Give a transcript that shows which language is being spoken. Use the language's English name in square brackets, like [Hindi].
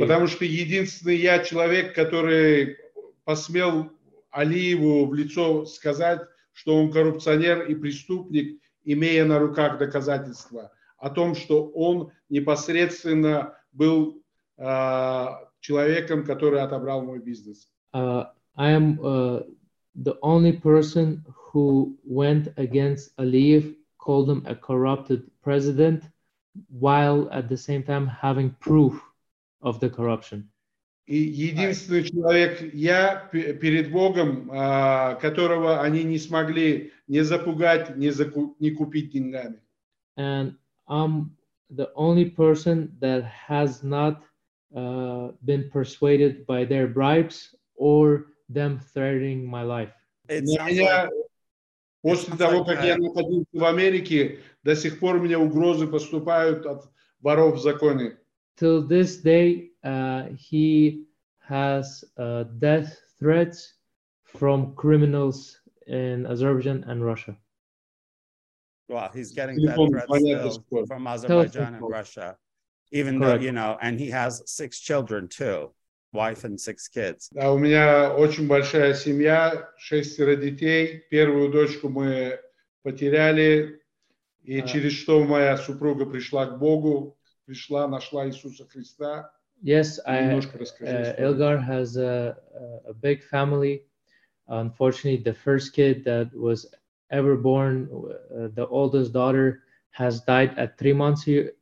[Russian] Потому что единственный я человек, который посмел Алиеву в лицо сказать, что он коррупционер и преступник, имея на руках доказательства о том, что он непосредственно был... человеком, который отобрал мой бизнес. [English] I am the only person who went against Aliyev, called him a corrupted president, while at the same time having proof of the corruption. [Russian] И единственный человек, я перед Богом, которого они не смогли ни запугать, ни купить деньгами. [English] And I'm the only person that has not been persuaded by their bribes or them threatening my life. [Russian] После того, как я находился в Америке, до сих пор мне угрозы поступают от воров в законе. [English] Till this day, he has death threats from criminals in Azerbaijan and Russia. Wow, he's getting death threats from Azerbaijan and Russia. Even though, you know, and he has six children too, wife and six kids. [Russian] Да, у меня очень большая семья, шестеро детей. Первую дочку мы потеряли, и через что моя супруга пришла к Богу, пришла, нашла Иисуса Христа. [English] Yes, I. Ilgar has a big family. Unfortunately, the first kid that was ever born, the oldest daughter, has died at 3 months here.